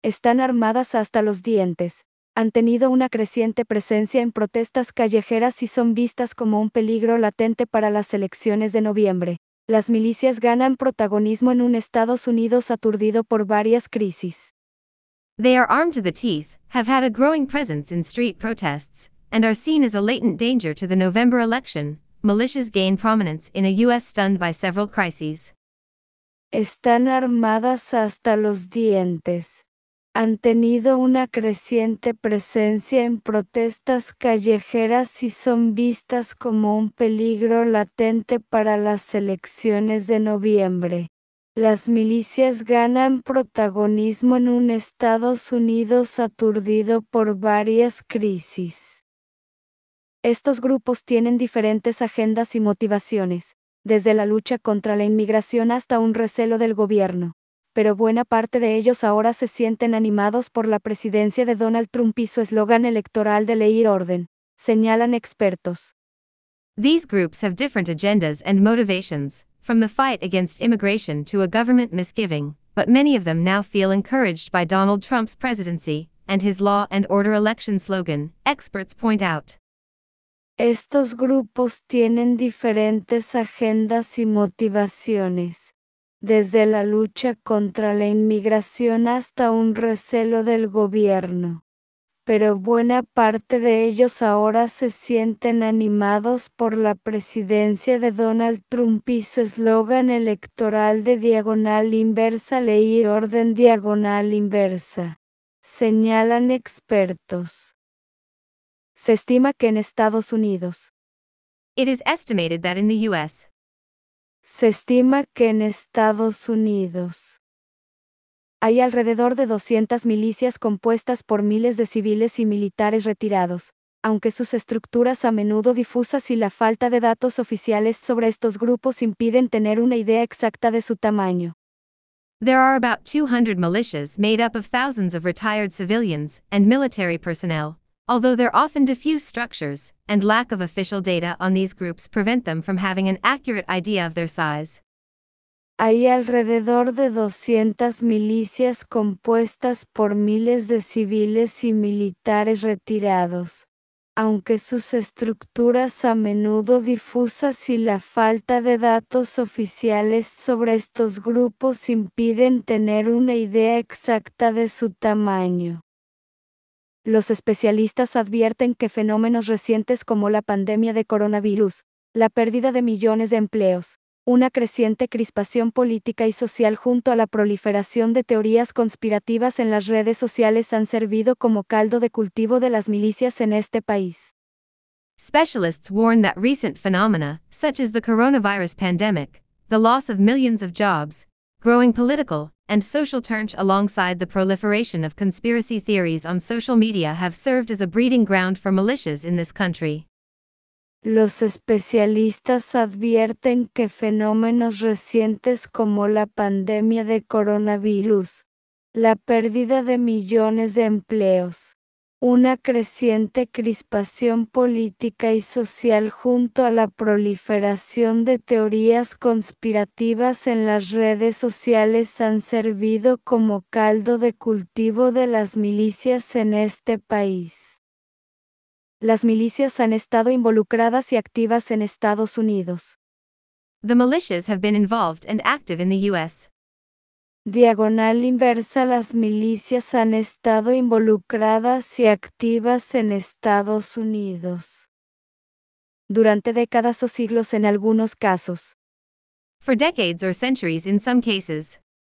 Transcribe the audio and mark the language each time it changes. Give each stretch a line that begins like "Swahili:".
Spanish: están armadas hasta los dientes, han tenido una creciente presencia en protestas callejeras y son vistas como un peligro latente para las elecciones de noviembre. Las milicias ganan protagonismo en un Estados Unidos aturdido por varias crisis.
English: They are armed to the teeth, have had a growing presence in street protests, and are seen as a latent danger to the November election. Militias gain prominence in a U.S. stunned by several crises.
Spanish: Están armadas hasta los dientes. Han tenido una creciente presencia en protestas callejeras y son vistas como un peligro latente para las elecciones de noviembre. Las milicias ganan protagonismo en un Estados Unidos aturdido por varias crisis. Estos grupos tienen diferentes agendas y motivaciones, desde la lucha contra la inmigración hasta un recelo del gobierno. Pero buena parte de ellos ahora se sienten animados por la presidencia de Donald Trump y su eslogan electoral de ley y orden, señalan expertos.
English: These groups have different agendas and motivations, from the fight against immigration to a government misgiving, but many of them now feel encouraged by Donald Trump's presidency and his law and order election slogan, experts point out.
Spanish: Estos grupos tienen diferentes agendas y motivaciones. Desde la lucha contra la inmigración hasta un recelo del gobierno. Pero buena parte de ellos ahora se sienten animados por la presidencia de Donald Trump y su eslogan electoral de diagonal inversa ley y orden diagonal inversa. Señalan expertos. Se estima que en Estados Unidos.
English: It is estimated that in the U.S.
Spanish: Se estima que en Estados Unidos hay alrededor de 200 milicias compuestas por miles de civiles y militares retirados, aunque sus estructuras a menudo difusas y la falta de datos oficiales sobre estos grupos impiden tener una idea exacta de su tamaño.
English: There are about 200 militias made up of thousands of retired civilians and military personnel. Although their often diffuse structures and lack of official data on these groups prevent them from having an accurate idea of their size.
Spanish: Hay alrededor de 200 milicias compuestas por miles de civiles y militares retirados. Aunque sus estructuras a menudo difusas y la falta de datos oficiales sobre estos grupos impiden tener una idea exacta de su tamaño. Los especialistas advierten que fenómenos recientes como la pandemia de coronavirus, la pérdida de millones de empleos, una creciente crispación política y social junto a la proliferación de teorías conspirativas en las redes sociales han servido como caldo de cultivo de las milicias en este país.
English: Specialists warn that recent phenomena, such as the coronavirus pandemic, the loss of millions of jobs, growing political and social tensions alongside the proliferation of conspiracy theories on social media have served as a breeding ground for militias in this country.
Spanish: Los especialistas advierten que fenómenos recientes como la pandemia de coronavirus, la pérdida de millones de empleos, una creciente crispación política y social junto a la proliferación de teorías conspirativas en las redes sociales han servido como caldo de cultivo de las milicias en este país. Las milicias han estado involucradas y activas en Estados Unidos.
English: The militias have been involved and active in the U.S.
Spanish: Diagonal inversa, las milicias han estado involucradas y activas en Estados Unidos. Durante décadas o siglos en algunos casos.
English: For decades or centuries in some cases.